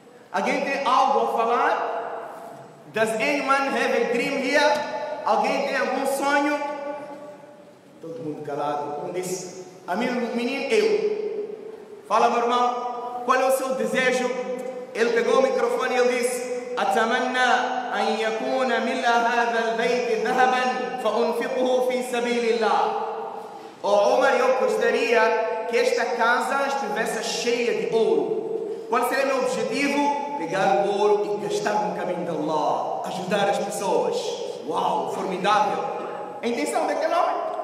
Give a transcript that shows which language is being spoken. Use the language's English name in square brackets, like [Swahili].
[Portuguese] Alguém tem algo a falar? [English] Does anyone have a dream here? [Portuguese] Alguém tem algum sonho? Todo mundo. calado. Um disse: amigo, menino, eu. Fala, meu irmão, qual é o seu desejo? Ele pegou o microfone e ele disse: [Arabic] أتمنى أن يكون مثل هذا البيت ذهبا فأنفقه في سبيل الله. [Portuguese] Oh, Omar, eu gostaria que esta casa estivesse cheia de ouro. Qual seria meu objetivo? Pegar o ouro e gastar no caminho de Allah, ajudar as pessoas. Uau, formidável! A intenção daquele homem?